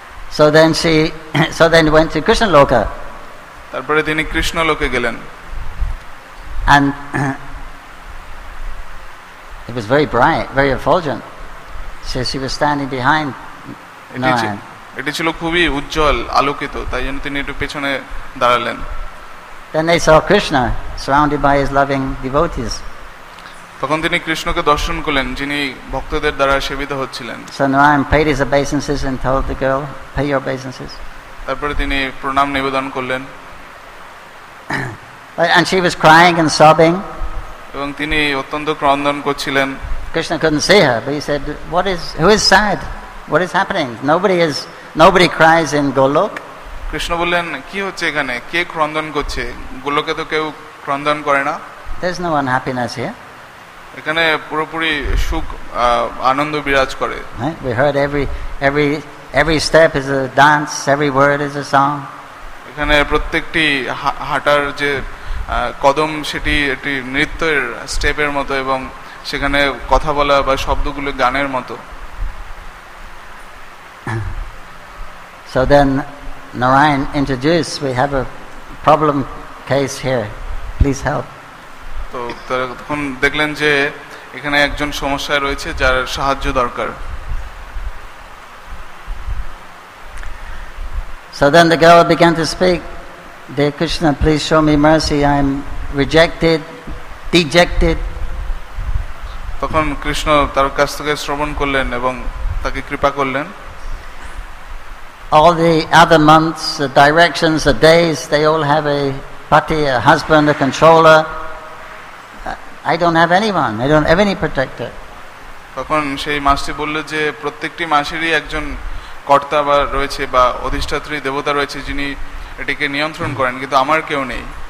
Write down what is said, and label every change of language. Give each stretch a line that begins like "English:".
English: So then went to Krishna Loka.
Bangla: তারপরে তিনি কৃষ্ণ লোকে গেলেন.
English: And it was very bright, very effulgent. So she was standing behind Narayan.
Bangla: এটি ছিল খুবই উজ্জ্বল, আলোকিত, তাই জন্য তিনি একটু পেছনে দাঁড়ালেন.
English: Then they saw Krishna surrounded by his loving devotees. ত
Bangla: তখন তিনি কৃষ্ণকে দর্শন করলেন যিনি ভক্তদের দ্বারা সেবিত হচ্ছিলেন।
English: So Narayan paid his obeisances and told the girl, "Pay your obeisances."
Bangla: তারপরে তিনি প্রণাম নিবেদন করলেন।
English: And she was crying and sobbing.
Bangla: এবং তিনি অত্যন্ত ক্রন্দন করছিলেন।
English: Krishna couldn't see her, but he said, "What is? Who is sad? What is happening? Nobody is. Nobody cries in Golok."
Bangla: Krishna বললেন, কি হচ্ছে এখানে? কে ক্রন্দন করছে? গোলোকে তো কেউ ক্রন্দন করে না।
English: There's no unhappiness here.
Bangla: এখানে পুরোপুরি সুখ আনন্দ বিরাজ করে।
English: We heard every step is a dance, every word is a song.
Bangla: এখানে প্রত্যেকটি হাঁটার যে কদম সেটি একটি নৃত্যের স্টেপের মতো এবং সেখানে কথা বলা বা শব্দগুলো গানের মতো।
English: So then Narayan introduced, "We have a problem case here. Please help."
Bangla: তো তখন দেখলেন যে এখানে একজন সমস্যা রয়েছে যার সাহায্য দরকার।
English: So then the girl began to speak, "Dear Krishna, please show me mercy. I am rejected, dejected."
Bangla: তখন কৃষ্ণ তার কাছ থেকে শ্রবণ করলেন এবং তাকে কৃপা করলেন।
English: All the other months, the directions, the days, they all have a pati, a husband, a controller. I don't have anyone. I don't have any protector.
Bangla: তখন সেই মাসটি বলল যে প্রত্যেকটি মাসেরই একজন কর্তা বা রয়েছে বা অধিষ্ঠাত্রী দেবতা রয়েছে যিনি এটিকে নিয়ন্ত্রণ করেন, কিন্তু আমার কেউ নেই।